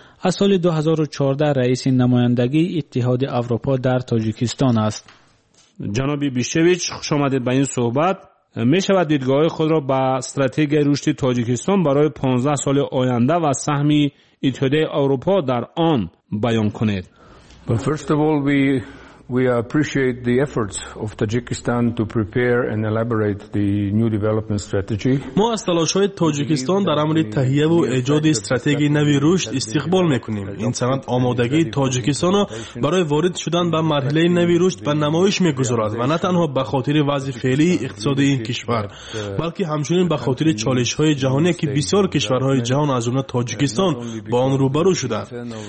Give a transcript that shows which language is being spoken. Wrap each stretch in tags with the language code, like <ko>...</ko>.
<fa>از سال 2014 رئیس نمایندگی اتحاد اروپا در تاجیکستان است. جناب بیشچیوچ، خوش آمدید به این صحبت. می شود دیدگاه خود را به استراتژی رشد تاجیکستان برای 15 سال آینده و سهم اتحادیه اروپا در آن بیان کنید؟</fa> <en>We appreciate the efforts of Tajikistan to prepare and elaborate the new development strategy.</en> <fa>ما از تلاش‌های تاجیکستان در امر تهیه و ایجاد استراتژی نو رشد استقبال می‌کنیم. این سند آمادگی تاجیکستان را برای وارد شدن به مرحله نو رشد به نمایش می‌گذارد و نه تنها به خاطر وضع فعلی اقتصادی این کشور، بلکه همچنین به خاطر چالش‌های جهانی که بسیار کشورهای جهان از آنها تاجیکستان با آن روبرو شده‌اند.</fa>